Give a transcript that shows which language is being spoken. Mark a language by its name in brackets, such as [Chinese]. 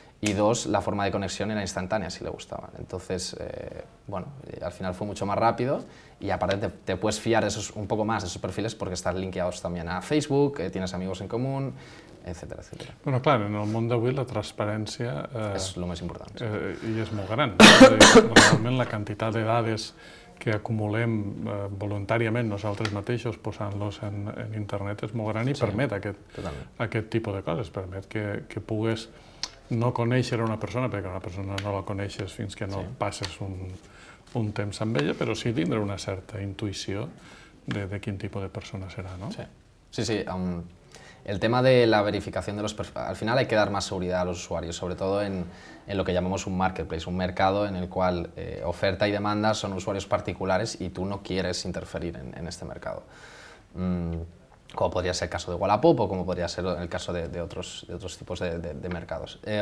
[Spanish] Y dos, la forma de conexión era instantánea, si le gustaban. Entonces, bueno, al final fue mucho más rápido y aparte te puedes fiar de esos, un poco más de esos perfiles porque están linkeados también a Facebook, tienes amigos en común, etcétera, etcétera. Bueno, claro, en el mundo de hoy la transparencia... es lo más importante. Y es muy grande. [Catalan] Realmente la cantidad de dades que acumulem voluntàriament nosaltres mateixos posant-los en internet és molt gran i permet aquest tipus de coses, permet que puguis no conèixer una persona, perquè una persona no la coneixes fins que no passes un temps amb ella, però sí tindre una certa intuïció de quin tipus de persona serà, no? [Spanish] Sí. El tema de la verificación de los perfiles, al final hay que dar más seguridad a los usuarios, sobre todo en lo que llamamos un marketplace, un mercado en el cual oferta y demanda son usuarios particulares y tú no quieres interferir en este mercado. Como podría ser el caso de Wallapop o como podría ser el caso de otros tipos de mercados.